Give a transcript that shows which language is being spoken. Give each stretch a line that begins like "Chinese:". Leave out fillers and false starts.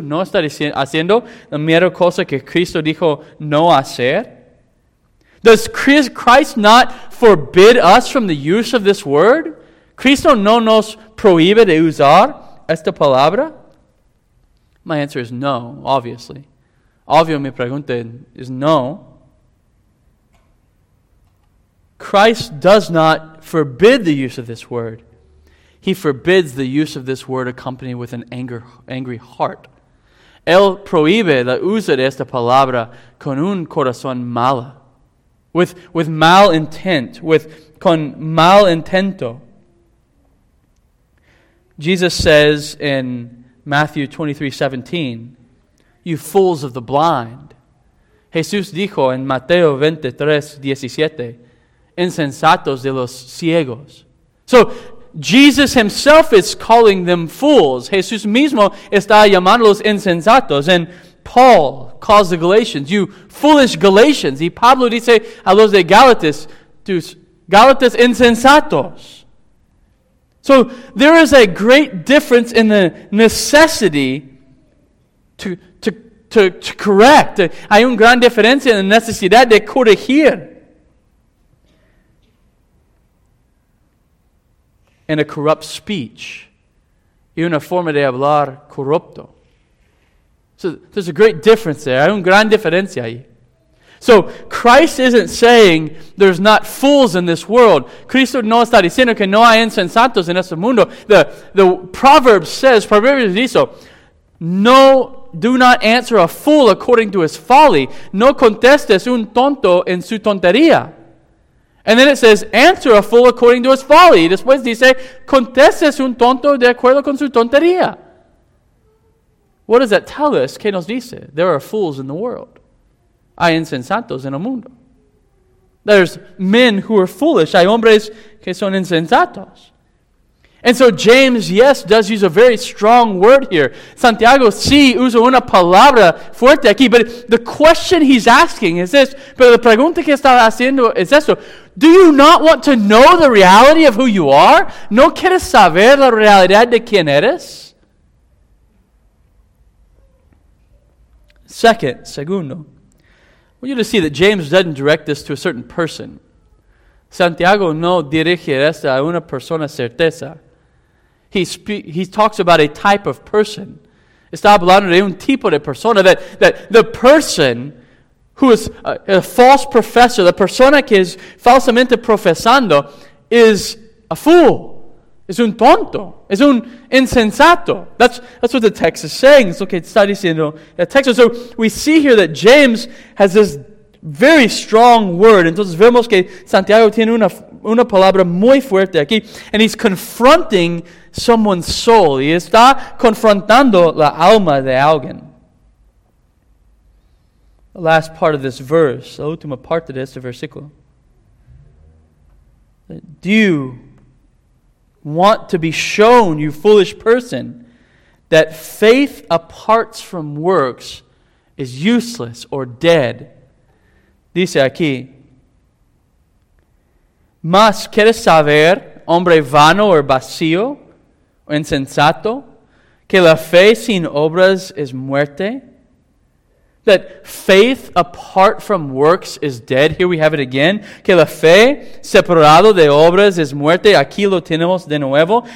Spanish: ¿No está haciendo la mera cosa que Cristo dijo no hacer?
English: Does Christ not forbid us from the use of this word?
Spanish: ¿Cristo no nos prohíbe de usar esta palabra?
English: My answer is no, obviously.
Spanish: Obvio, mi pregunta
English: is no. Christ does not forbid the use of this word. He forbids the use of this word accompanied with an angry heart.
Spanish: Él prohíbe la uso de esta palabra con un corazón malo.
English: With mal intent, with
Spanish: con mal intento.
English: Jesus says in Matthew 23:17, you fools of the blind.
Spanish: Jesús dijo en Mateo 23:17, insensatos de los ciegos.
English: So Jesus himself is calling them fools.
Spanish: Jesús mismo está llamándolos insensatos.
English: And Paul calls the Galatians, you foolish Galatians.
Spanish: Y Pablo dice a los de Gálatas, tus Gálatas insensatos.
English: So there is a great difference in the necessity to correct.
Spanish: Hay una gran diferencia en la necesidad de corregir.
English: And a corrupt speech.
Spanish: Y una forma de hablar corrupto.
English: So there's a great difference there.
Spanish: Hay una gran diferencia ahí.
English: So Christ isn't saying there's not fools in this world.
Spanish: Cristo no está diciendo que no hay insensatos en este mundo.
English: The proverb says,
Spanish: Proverbios dice,
English: no, do not answer a fool according to his folly.
Spanish: No contestes un tonto en su tontería.
English: And then it says, answer a fool according to his folly.
Spanish: Después dice, contestes un tonto de acuerdo con su tontería.
English: What does that tell us?
Spanish: ¿Qué nos dice?
English: There are fools in the world.
Spanish: Hay insensatos en el mundo.
English: There's men who are foolish.
Spanish: Hay hombres que son insensatos.
English: And so James, yes, does use a very strong word here.
Spanish: Santiago sí usa una palabra fuerte aquí.
English: But the question he's asking is this.
Spanish: Pero la pregunta que está haciendo es esto.
English: Do you not want to know the reality of who you are?
Spanish: ¿No quieres saber la realidad de quién eres?
English: Segundo, I want you to see that James doesn't direct this to a certain person.
Spanish: Santiago no dirige esto a una persona certeza.
English: He talks about a type of person.
Spanish: Está hablando de un tipo de persona,
English: that the person who is a false professor,
Spanish: the persona que es falsamente profesando,
English: is a fool,
Spanish: es un tonto, es un insensato.
English: That's what the text is saying. Look at study siendo the text. So we see here that James has this very strong word.
Spanish: Entonces vemos que Santiago tiene una palabra muy fuerte aquí,
English: and he's confronting someone's soul.
Spanish: Y está confrontando la alma de alguien.
English: The last part of this verse,
Spanish: la última parte de este versículo.
English: Do you want to be shown, you foolish person, that faith apart from works is useless or dead?
Spanish: Dice aquí, ¿Más quieres saber, hombre vano o vacío o insensato, que la fe sin obras es muerte?
English: That faith apart from works is dead. Here we have it again.
Spanish: Que la fe separado de obras es muerte. Aquí lo tenemos de nuevo.